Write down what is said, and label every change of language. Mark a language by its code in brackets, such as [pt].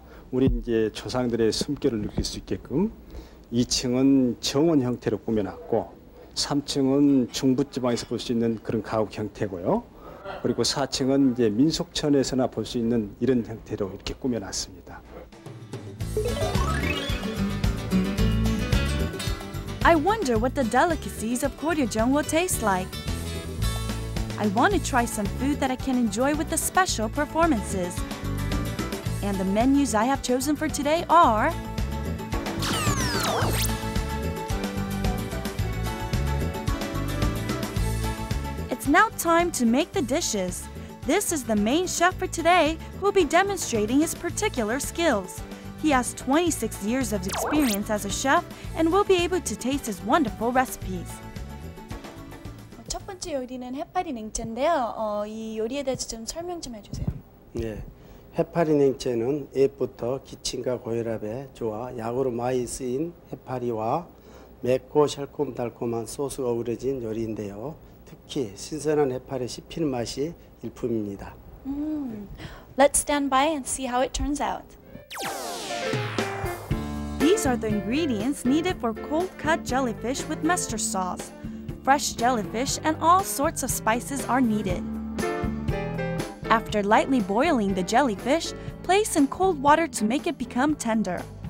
[ko] 우리 이제 조상들의 숨결을 느낄 수 있게끔 2층은 정원 형태로 꾸며놨고 3층은 중부지방에서 볼 수 있는 그런 가옥 형태고요. 그리고 4층은 이제 민속촌에서나 볼 수 있는 이런 형태로 이렇게 꾸며놨습니다. [en] I wonder what the delicacies of Goryeojang will taste like. I want to try some food that I can enjoy with the special performances. And the menus I have chosen for today are... It's now time to make the dishes. This is the main chef for today who will be demonstrating his particular skills. He has 26 years of experience as a chef and will be able to taste his wonderful recipes. [ko] 첫 번째 요리는 해파리 냉채인데요. 이 요리에 대해서 좀 설명 좀 해주세요. 네, 해파리 냉채는 옛부터 기침과 고혈압에 좋아 약으로 많이 쓰인 해파리와 맵고 새콤달콤한 소스가 어우러진 요리인데요. 특히 신선한 해파리 씹히는 맛이 일품입니다. [en] Let's stand by and see how it turns out. These are the ingredients needed for cold-cut jellyfish with mustard sauce. Fresh jellyfish and all sorts of spices are needed. After lightly boiling the jellyfish, place in cold water to make it become tender.